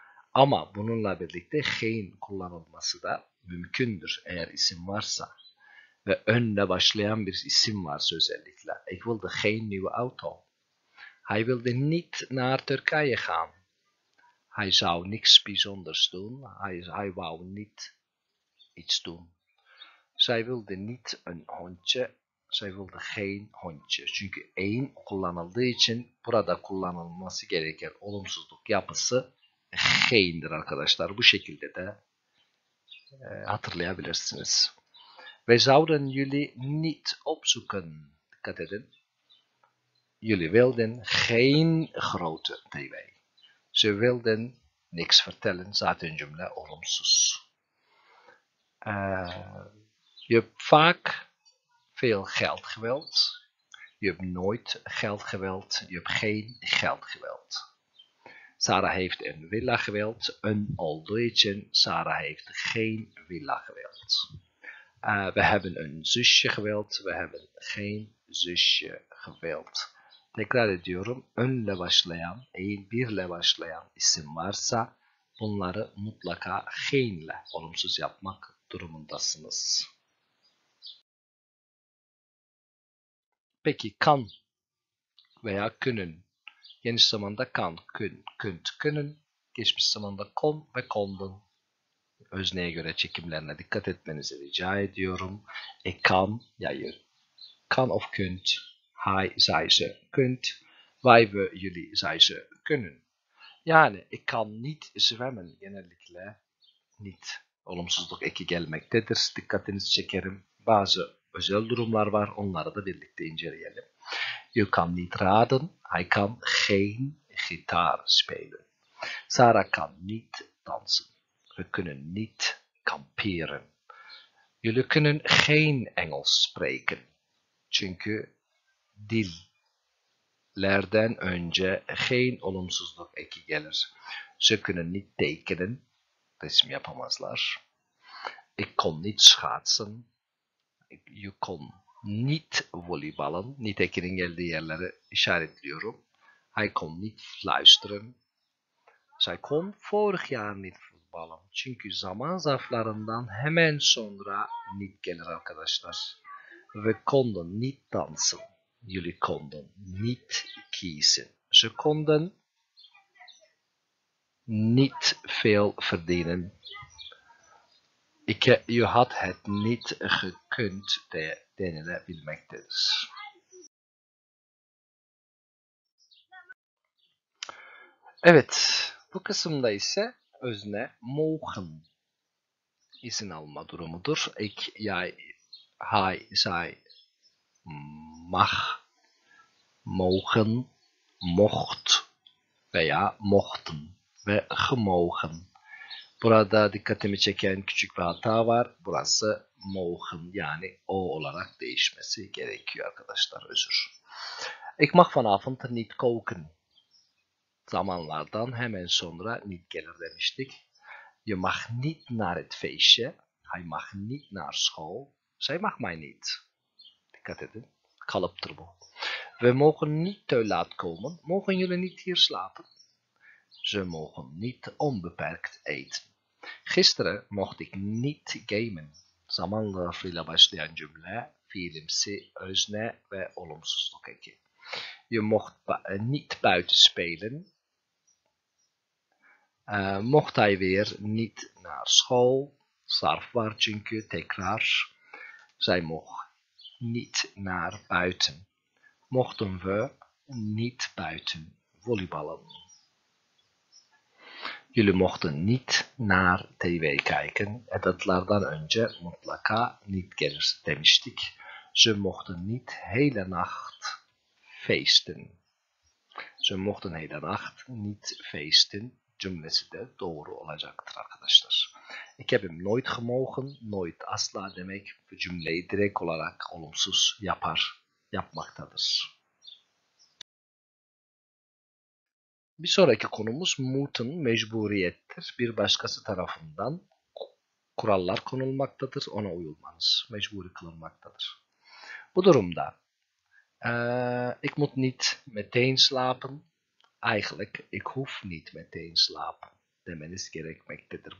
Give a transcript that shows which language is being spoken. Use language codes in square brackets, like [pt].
[tr] Ama bununla birlikte geen kullanılması da mümkündür eğer isim varsa. Ve önle başlayan bir isim varsa özellikle. [nl] Ik wilde geen nieuwe auto. Hij wilde niet naar Turkije gaan. Hij zou niks bijzonders doen. Hij wou niet iets doen. Zij wilde niet een hondje. Zij wilde geen hondje. [tr] Çünkü een kullanıldığı için burada kullanılması gereken olumsuzluk yapısı geen'dir arkadaşlar. Bu şekilde de hatırlayabilirsiniz. [nl] We zouden jullie niet opzoeken. [tr] Dikkat edin. [nl] Jullie wilden geen grote tv. Ze wilden niks vertellen. [tr] Zaten cümle olumsuz. [nl] Je hebt vaak veel geld gewild. Je hebt nooit geld gewild. Je hebt geen geld gewild. Sarah heeft een villa gewild. Een oldeetje. Sarah heeft geen villa gewild. We hebben een zusje gewild. We hebben geen zusje gewild. [tr] Tekrar ediyorum. Önle başlayan, birle başlayan isim varsa bunları mutlaka geenle olumsuz yapmak durumundasınız. Peki kan veya kunnen. Geniş zamanda kan, kunt, kunnen. Geçmiş zamanda kon ve konden. Özneye göre çekimlerine dikkat etmenizi rica ediyorum. [nl] E kan, yayır. Kan of kunt. Hij, zij, ze, kunt. Wij, we, jullie, zij, ze, kunnen. Yani, ik kan niet zwemmen. [tr] Genellikle niet. Olumsuzluk eki gelmektedir. Dikkatinizi çekerim. Bazı özel durumlar var. Onları da birlikte inceleyelim. [en] You can [nl] niet raden. Hij kan geen gitaar spelen. Sarah kan niet dansen. We kunnen niet kamperen. Jullie kunnen geen Engels spreken. [tr] Çünkü dillerden önce geen olumsuzluk eki gelir. [nl] Ze kunnen niet tekenen. [tr] Resim yapamazlar. [nl] Ik kon niet schaatsen. Je kon niet volleyballen. [tr] Niet ekinin geldiği yerleri işaretliyorum. [nl] Hij kon niet fluisteren. Zij kon vorig jaar niet voetballen. [tr] Çünkü zaman zarflarından hemen sonra niet gelir arkadaşlar. [nl] We konden niet dansen. Jullie konden niet kiezen. Ze konden niet veel verdienen. Je had het niet gekund [tr] denilebilmektedir. Evet, bu kısımda ise özne mogen izin alma durumudur. [nl] Ik, jij, hij, zij, mag, mogen, mocht veya mochten ve gemogen. [tr] Burada dikkatimi çeken küçük bir hata var. Burası mogen yani o olarak değişmesi gerekiyor arkadaşlar. Özür. [nl] Ik mag vanavond niet koken. [tr] Zamanlardan hemen sonra niet gelir demiştik. [nl] Je mag niet naar het feestje. Hij mag niet naar school. Zij mag mij niet. [tr] Dikkat edin. Kalıptır bu. [nl] We mogen niet te laat komen. Mogen jullie niet hier slapen? Ze mogen niet onbeperkt eten. Gisteren mocht ik niet gamen. [tr] Zamanla fiile başlayan cümle, fiilimsi, özne ve olumsuzluk eki. [nl] Je mocht niet buiten spelen. Mocht hij weer niet naar school. [tr] Zarf var çünkü tekrar. [nl] Zij mocht niet naar buiten. Mochten we niet buiten volleyballen. Jullie mochten niet naar tv kijken. [tr] Edatlardan önce mutlaka niet gelir demiştik. [nl] Ze mochten niet hele nacht feesten. Ze mochten hele nacht niet feesten. [tr] Cümlesi de doğru olacaktır arkadaşlar. [nl] Ik heb hem nooit gemogen, [tr] nooit asla demek bu cümleyi direkt olarak olumsuz yapar, yapmaktadır. Bir sonraki konumuz mutun mecburiyettir. Bir başkası tarafından kurallar konulmaktadır, ona uyulmanız mecburi kılınmaktadır. Bu durumda [nl] ik moet niet meteen slapen. Eigenlijk, ik hoef niet meteen slapen [tr] demeniz gerekmektedir.